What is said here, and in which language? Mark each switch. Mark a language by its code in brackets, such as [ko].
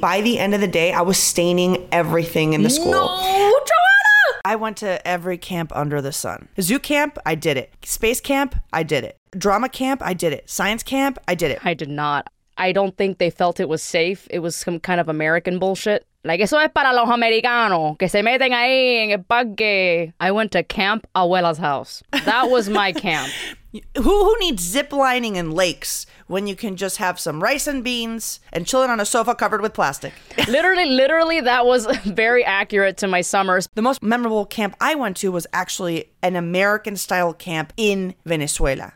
[en] By the end of the day, I was staining everything in the school. No, Joanna! I went to every camp under the sun. Zoo camp, I did it. Space camp, I did it. Drama camp, I did it. Science camp, I did it. I did not. I don't think they felt it was safe. It was some kind of American bullshit. [es] Like, eso es para los americanos, que se meten ahí en el parque. [en] I went to Camp Abuela's house. That was my camp. Who needs zip lining in lakes when you can just have some rice and beans and chilling on a sofa covered with plastic? Literally, that was very accurate to my summers. The most memorable camp I went to was actually an American-style camp in Venezuela.